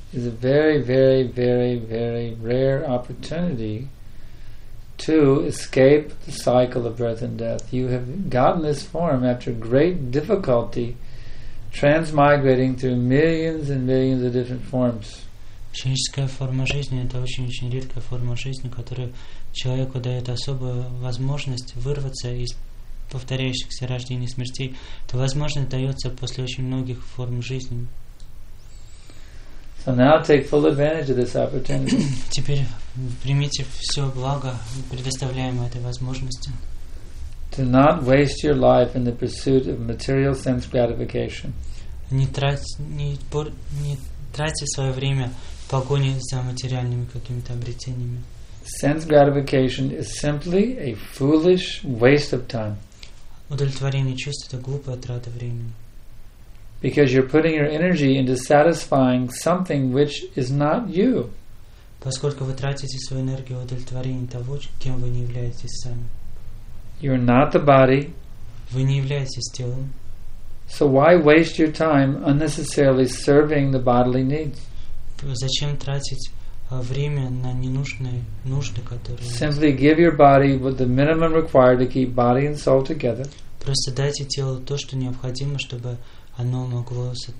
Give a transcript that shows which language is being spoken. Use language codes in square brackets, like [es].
[en] is a very, very, very, very rare opportunity to escape the cycle of birth and death. You have gotten this form after great difficulty transmigrating through millions and millions of different forms. [ru] Человеческая форма жизни – это очень-очень редкая форма жизни, которая человеку дает особую возможность вырваться из повторяющихся рождений и смертей. Эта возможность дается после очень многих форм жизни. [en] So now take full advantage of this opportunity. [ru] Теперь примите все благо, предоставляемое этой возможности. [en] Do not waste your life in the pursuit of material sense gratification. [ru] Не тратьте свое время в погоне за материальными какими-то обретениями. [en] Sense gratification is simply a foolish waste of time. [ru] Удовлетворение чувств – это глупая трата времени. [en] Because you're putting your energy into satisfying something which is not you. [ru] Поскольку вы тратите свою энергию в удовлетворение того, кем вы не являетесь сами. [en] You're not the body. [ru] Вы не являетесь телом. [en] So why waste your time unnecessarily serving the bodily needs? [ru] Зачем тратить время на ненужные нужды, которые... [en] Simply give your body what the minimum required to keep body and soul together. [ru] Просто дайте телу то, что необходимо, чтобы оно могло